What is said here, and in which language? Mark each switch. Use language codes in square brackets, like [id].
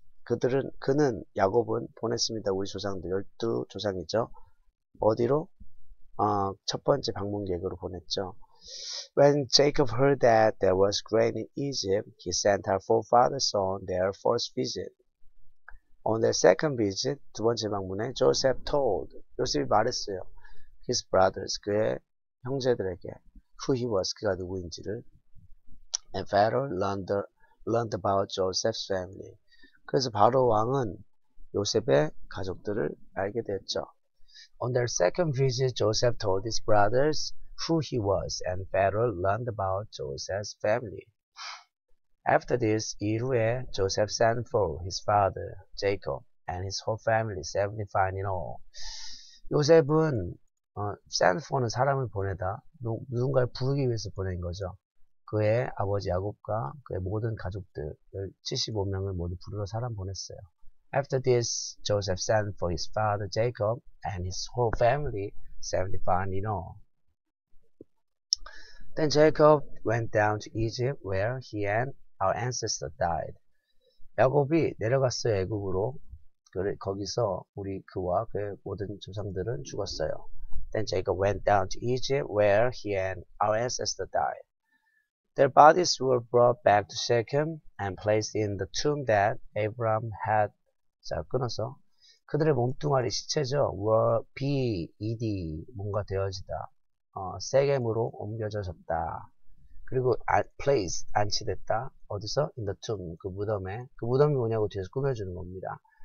[ko] 그는 야곱은 보냈습니다. 우리 조상들 열두 조상이죠. 어디로? 첫 번째 방문객으로 보냈죠. [en] When Jacob heard that there was grain in Egypt, he sent our forefathers on their first visit. On their second visit, [ko] 두 번째 방문에, [en] Joseph told, [ko] 요셉이 말했어요. [en] His brothers, [ko] 그의 형제들에게, [en] who he was, [ko] 그가 누구인지를. [en] And Pharaoh learned about Joseph's family. [ko] 그래서 바로 왕은 요셉의 가족들을 알게 되었죠. [en] On their second visit, Joseph told his brothers who he was, and Pharaoh learned about Joseph's family. After this, [ko] 이후에 [en] Joseph sent for his father, Jacob, and his whole family, 75 in all. [ko] 요셉은 send for는 사람을 보내다, 누군가를 부르기 위해서 보낸 거죠. 그의 아버지 야곱과 그의 모든 가족들을 75명을 모두 부르러 사람 보냈어요. [en] After this, Joseph sent for his father Jacob and his whole family, 75 in all. Then Jacob went down to Egypt where he and our ancestor died. [ko] 야곱이 내려갔어요, 애굽으로. 그래, 거기서 우리 그와 그의 모든 조상들은 죽었어요. [en] Then Jacob went down to Egypt where he and our ancestor died. Their bodies were brought back to Shechem and placed in the tomb that Abraham had [ko] 자, 끊어서. 그들의 몸뚱아리 시체죠. were bed, 뭔가 되어지다. 세겜으로 옮겨졌다. 그리고 placed, 안치됐다. 어디서? [en] in the tomb, [ko] 그 무덤에. 그 무덤이 뭐냐고 뒤에서 꾸며주는 겁니다.